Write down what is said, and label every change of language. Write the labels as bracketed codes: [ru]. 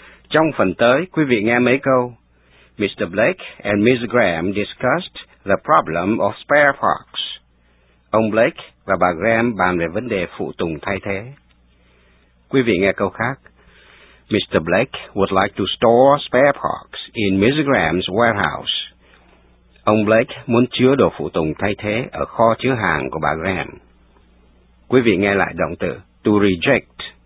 [vi] Trong phần tới, quý vị nghe mấy câu. [en] Mr. Blake and Ms. Graham discussed the problem of spare parts. [vi] Ông Blake và bà Graham bàn về vấn đề phụ tùng thay thế. Quý vị nghe câu khác. Mr. [en] Blake would like to store spare parts in Ms. Graham's warehouse. [vi] Ông Blake muốn chứa đồ phụ tùng thay thế ở kho chứa hàng của bà Graham. Quý vị nghe lại động từ to reject.